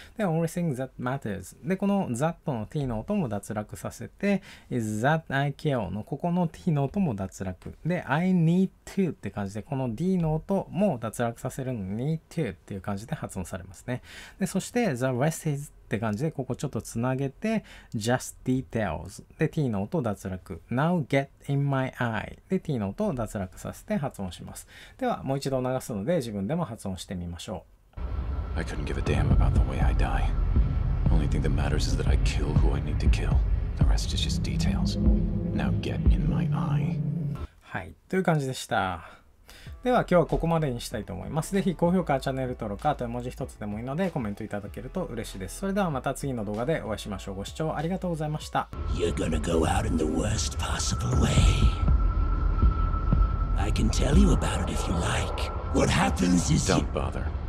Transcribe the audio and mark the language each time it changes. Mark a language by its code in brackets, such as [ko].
[ja] で、 [en] only thing that matters [ja] で、この the との t の音も脱落させて [en] is that I kill [ja] のここの t の音も脱落で、 I need to って感じで、この d の音も脱落させるのに need to っていう感じで発音されますね。で、そして theRest is って感じで、ここちょっとつなげて Just details で T の音を脱落、 [en] Now get in my eye [ja] で T の音を脱落させて発音します。では、もう一度流すので自分でも発音してみましょう。 [en] I couldn't give a damn about the way I die. Only thing that matters is that I kill who I need to kill. The rest is just details. Now get in my eye. [ja] はい、という感じでした。では今日はここまでにしたいと思います。ぜひ高評価、チャンネル登録、あと文字一つでもいいのでコメントいただけると嬉しいです。それではまた次の動画でお会いしましょう。ご視聴ありがとうございました。 [en] You're gonna go out in the worst possible way. I can tell you about it if you like. What happens is Don't bother.